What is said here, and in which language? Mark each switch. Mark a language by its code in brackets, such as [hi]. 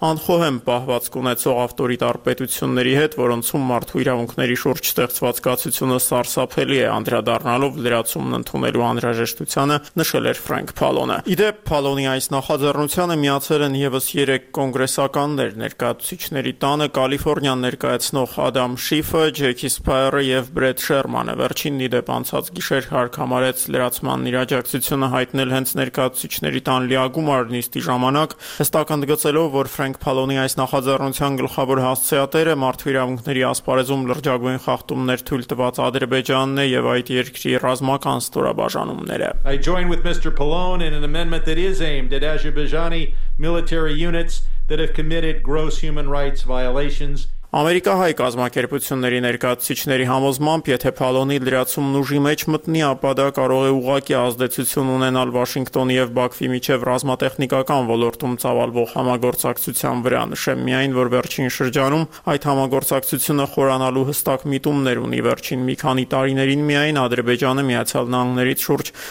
[hy] անխոհեմ պահվածք ունեցող ավտորիտար պետությունների հետ, որոնցում մարդու իրավունքների շուրջ ստեղծված ցածկացությունը սարսափելի է, անդրադառնալով լրացումն ընդունելու անհրաժեշտությանը, նշել էր Ֆրենկ Փալոնը։ Իդեպ, Փալոնի այս նախաձեռնությանը միացել են ևս 3 կոնգրեսականներ՝ ներկայացուցիչների տանը Կալիֆոռնիան ներկայացնող Ադամ Շիֆը, Ջեքի Սփայերը և Բրեդ Շերմանը։ Վերջինն, իդեպ, անցած գիշեր հարկամարեց լրացման իրաջակցությունը հայտնել հենց ներկայացուցիչների տան լիագում արնիստի ժամանակ, հստակ ընդգծելով, որ Ֆրենկ Փալոնի այս նախաձեռնության գլխավոր հասցեատերը մարդու իրավունքների ասպարեզում լրջագույն խախտումն թույլ տված Ադրբեջանն է եւ այդ երկրի ռազմական ստորաբաժանումները։ [en] I join with Mr. Pallone in an amendment that is aimed at Azerbaijani military units that have committed gross human rights violations. [hy] Ամերիկահայ կազմակերպությունների ներկայացուցիչների համոզմամբ, եթե Փալոնի լրացումն ուժի մեջ մտնի, ապա դա կարող է ուղղակի ազդեցություն ունենալ Վաշինգտոնի և Բաքվի միջև ռազմատեխնիկական ոլորտում ծավալվող համագործակցության վրա։ Նշեմ միայն, որ վերջին շրջանում այդ համագործակցությունը խորանալու հստակ միտումներ ունի։ Վերջին մի քանի տարիներին միայն Ադրբեջանը Միացյալ Նահանգներից շուրջ